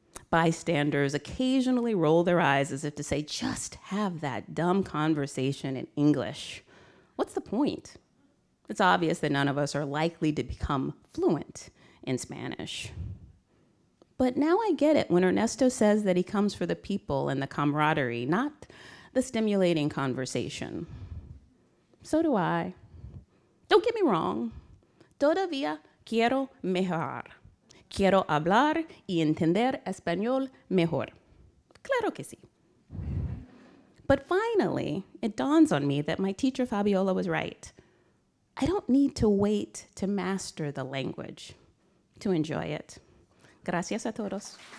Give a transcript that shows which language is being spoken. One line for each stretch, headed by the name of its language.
English: Bystanders occasionally roll their eyes as if to say, just have that dumb conversation in English. What's the point? It's obvious that none of us are likely to become fluent in Spanish. But now I get it when Ernesto says that he comes for the people and the camaraderie, not the stimulating conversation. So do I. Don't get me wrong.
Spanish: Todavía quiero mejorar. Quiero hablar y entender español mejor. Claro que sí.
English: But finally, it dawns on me that my teacher Fabiola was right. I don't need to wait to master the language to enjoy it.
Spanish: Gracias a todos.